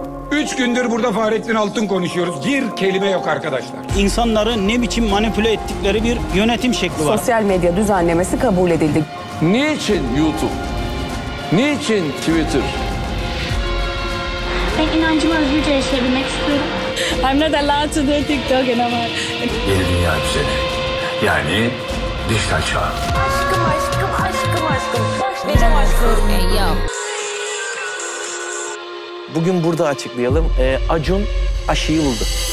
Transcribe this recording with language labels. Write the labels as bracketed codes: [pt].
[tr] 3 gündür burada Fahrettin Altun konuşuyoruz. Bir kelime yok arkadaşlar. İnsanları ne biçim manipüle ettikleri bir yönetim şekli var. Sosyal medya düzenlemesi kabul edildi. Niçin YouTube? Niçin Twitter? Ben inancımı özgürce yaşayabilmek istiyorum. [en] I'm not allowed to do TikTok anymore. [tr] Yeni dünya düzeni. Yani dijital çağ. Aşkım, aşkım, aşkım, aşkım. Başka benim aşkım. Hey, bugün burada açıklayalım. Acun aşıyı buldu.